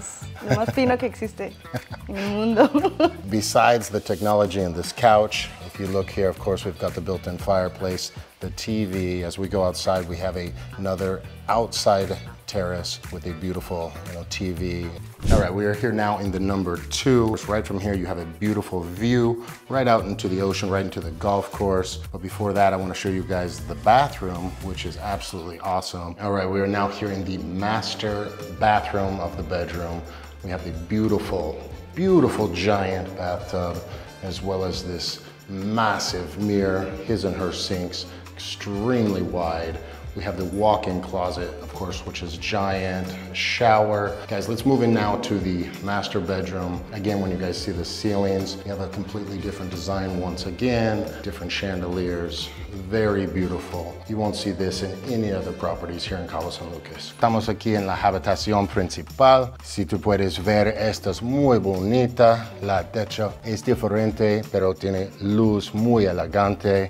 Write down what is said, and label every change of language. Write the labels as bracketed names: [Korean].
[Spanish] Sí, lo más fino que existe en el mundo. [English] Besides the technology in this couch, if you look here, of course, we've got the built-in fireplace, the TV. As we go outside, we have another outside terrace with a beautiful, you know, TV. All right, we are here now in the number two. Right from here, you have a beautiful view right out into the ocean, right into the golf course. But before that, I want to show you guys the bathroom, which is absolutely awesome. All right, we are now here in the master bathroom of the bedroom. We have the beautiful, beautiful giant bathtub, as well as this massive mirror, his and her sinks, extremely wide. We have the walk-in closet, of course, which is giant, shower. Guys, let's move in now to the master bedroom. Again, when you guys see the ceilings, you have a completely different design once again, different chandeliers, very beautiful. You won't see this in any other properties here in Cabo San Lucas. [Spanish] Estamos aquí en la habitación principal. Si tú puedes ver, esta es muy bonita. La techo es diferente, pero tiene luz muy elegante.